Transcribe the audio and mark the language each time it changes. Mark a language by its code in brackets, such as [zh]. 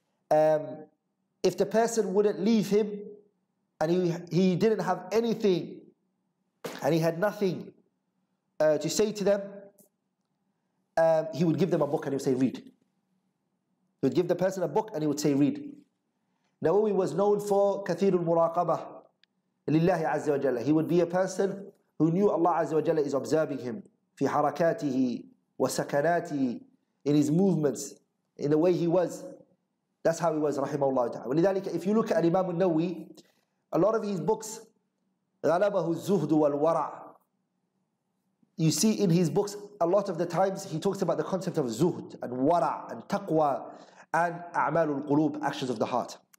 [en] If the person wouldn't leave him, and he didn't have anything, and he had nothing to say to them, he would give them a book and he would say, read. He would give the person a book and he would say, read. Nawawi was known for [ar] كثير المراقبة لله عز وجل. [en] He would be a person who knew Allah عز وجل is observing him [ar] في حركاته وسكناته, [en] in his movements, in the way he was. That's how he was, [ar] رحمه الله تعالى. [en] ولذلك, if you look at Imam Nawawi, a lot of his books, [ar] غلبه الزهد والورع, [en] you see in his books, a lot of the times he talks about the concept of zuhd and wara and taqwa and أعمال القلوب, actions of the heart.